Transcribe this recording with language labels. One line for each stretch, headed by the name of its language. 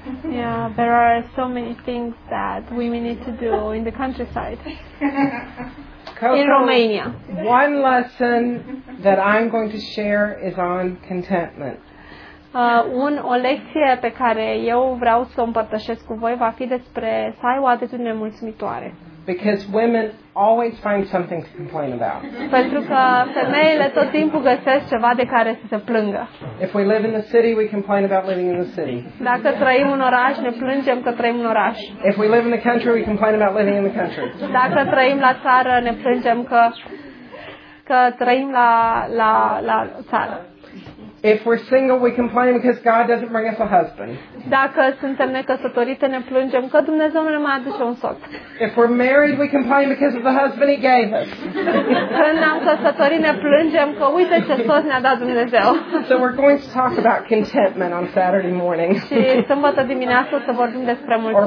English: Yeah, there are so many things that women need to do in the countryside. Coco, in Romania. One lesson that I'm going to share is on contentment.
Romanian: O lecție pe care eu vreau să o împărtășesc cu voi va fi despre să ai o atitudine mulțumitoare.
English: Because women always find something to complain about.
Romanian: Pentru că femeile tot timpul găsesc ceva de care să se plângă.
English: If we live in the city, we complain about living in the city.
Romanian: Dacă trăim în oraș, ne plângem că trăim în oraș.
English: If we live in the country, we complain about living in the country.
Romanian: Dacă trăim la țară, ne plângem că trăim la țară.
English: If we're single, we complain because God doesn't bring us a husband.
Romanian: Dacă suntem necăsătorite, ne plângem că Dumnezeu nu ne mai aduce un soț.
English: If we're married, we complain because of the husband he gave us.
Romanian: Când ne-am căsătorit, ne plângem că uite ce soț ne-a dat Dumnezeu.
English: So we're going to talk about contentment on Saturday morning.
Romanian: Și sâmbătă dimineață să vorbim despre mulțumire.